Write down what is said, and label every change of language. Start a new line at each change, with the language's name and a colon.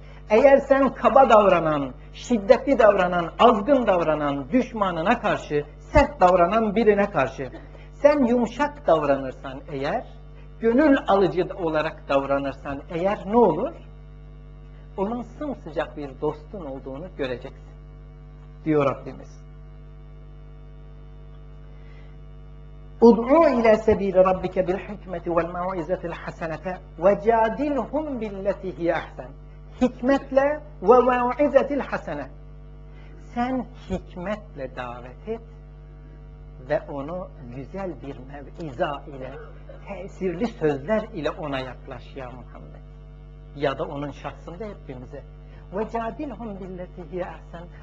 Turkish: Eğer sen kaba davranan, şiddetli davranan, azgın davranan, düşmanına karşı, sert davranan birine karşı, sen yumuşak davranırsan eğer, gönül alıcı olarak davranırsan eğer ne olur? Onun sımsıcak bir dostun olduğunu göreceksin, diyor Rabbimiz.
Arabic: اُدْعُوا اِلَى سَب۪يلِ رَبِّكَ بِالْحِكْمَةِ وَالْمَوْعِزَةِ الْحَسَنَةَ وَجَادِلْهُمْ بِالَّتِي هِيَ اَحْسَنَ
Turkish: Hikmetle ve mev'izetil hasene. Sen hikmetle davet et ve onu güzel bir mev'iza ile, tesirli sözler ile ona yaklaş ya Muhammed. Ya da onun şahsında hepimize. Ve
Arabic: cadilhum billeti hiye ahsen.